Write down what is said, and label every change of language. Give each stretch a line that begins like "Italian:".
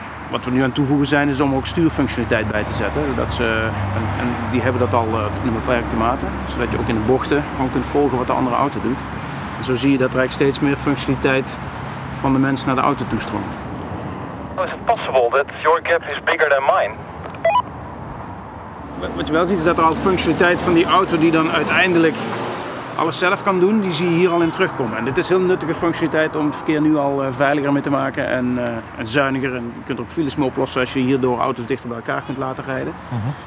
Dutch: Wat we nu aan toevoegen zijn, is om ook stuurfunctionaliteit bij te zetten. Dat ze, en die hebben dat al in een beperkte mate, zodat je ook in de bochten gewoon kunt volgen wat de andere auto doet. En zo zie je dat er eigenlijk steeds meer functionaliteit van de mens naar de auto toe stroomt. Is het
English: possible that your gap is bigger than mine?
Dutch: Wat je wel ziet, is dat er al functionaliteit van die auto die dan uiteindelijk alles zelf kan doen, die zie je hier al in terugkomen. En dit is heel nuttige functionaliteit om het verkeer nu al veiliger mee te maken en zuiniger. En je kunt er ook files mee oplossen als je hierdoor auto's dichter bij elkaar kunt laten rijden. Uh-huh.